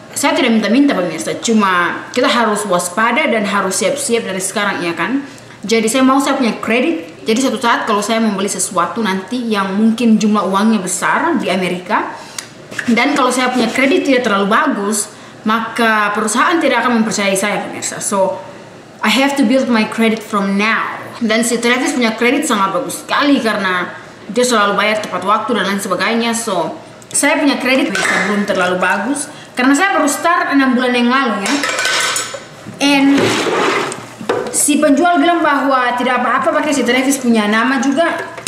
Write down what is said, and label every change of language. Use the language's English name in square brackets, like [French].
[Indonesian] Saya tidak minta-minta pemirsa, cuma kita harus waspada dan harus siap-siap dari sekarang, ya kan? Jadi saya mau saya punya kredit. Jadi suatu saat kalau saya membeli sesuatu nanti yang mungkin jumlah uangnya besar di Amerika, dan kalau saya punya kredit tidak terlalu bagus, maka perusahaan tidak akan mempercayai saya pemirsa. [English] So, I have to build my credit from now. [Indonesian] Dan si Travis punya kredit sangat bagus sekali karena dia selalu bayar tepat waktu dan lain sebagainya. So, saya punya kredit pemirsa belum terlalu bagus karena saya baru start 6 bulan yang lalu ya. And si penjual bilang bahwa tidak apa-apa pakai si Travis punya nama juga.